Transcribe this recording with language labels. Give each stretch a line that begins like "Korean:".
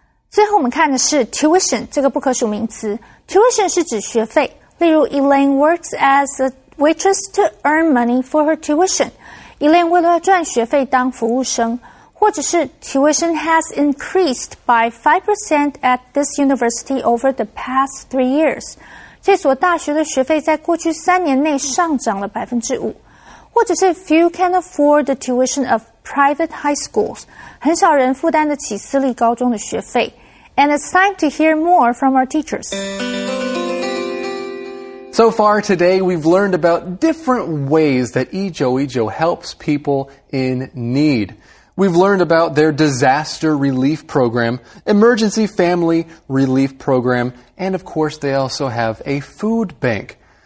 Chinese: 最后我们看的是 tuition, 这个不可数名词。Tuition 是指学费。例如
English: Elaine works as a waitress to earn money for her tuition.
Chinese: Elaine 为了赚学费当服务生。或者是
English: tuition has increased by 5% at this university over the past 3 years.
Chinese: 这所大学的学费在过去三年内上涨了 5%. 或者是
English: few can afford the tuition of private high schools.
Chinese: 很少人负担得起私立高中的学费。
English: And it's time to hear more from our teachers. So far today, we've learned about different ways that Ijo Ijo helps people in need. We've learned about their disaster relief program, emergency family relief program, and of course they also have a food bank.